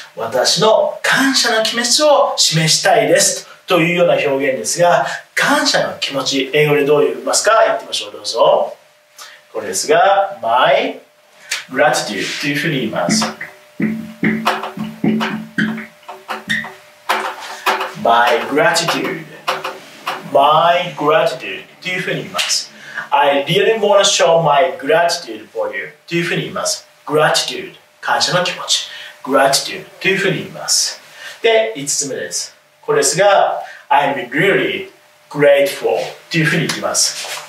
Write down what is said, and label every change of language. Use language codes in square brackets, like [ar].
[ja] 私の感謝の気持ちを示したいですというような表現ですが、感謝の気持ち、英語でどう言いますか、言ってみましょう。どうぞ。これですが、My gratitude というふうに言います。 [en] My gratitude。 My gratitude [ja] というふうに言います。 [en] I really want to show my gratitude for you [ja] というふうに言います。 [en] Gratitude。 [ja] 感謝の気持ち、 gratitude というふうに言います。で、5つ目です。これですが、 [en] I'm really grateful [ja] というふうに言います。